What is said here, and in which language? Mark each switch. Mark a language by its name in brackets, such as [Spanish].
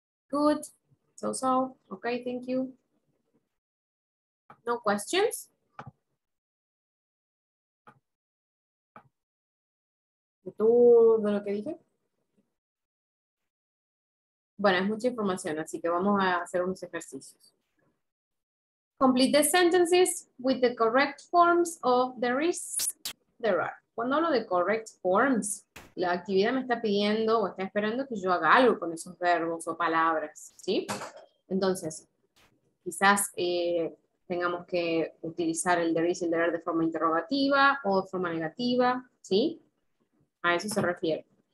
[English] Good, so, ok, thank you. No questions. [Spanish] ¿De todo lo que dije? Bueno, es mucha información, así que vamos a hacer unos ejercicios. [English] Complete the sentences with the correct forms of there is, there are. [Spanish] Cuando hablo de correct forms, la actividad me está pidiendo o está esperando que yo haga algo con esos verbos o palabras, ¿sí? Entonces, quizás tengamos que utilizar el there is y el there are de forma interrogativa o de forma negativa, ¿sí? A eso se refiere.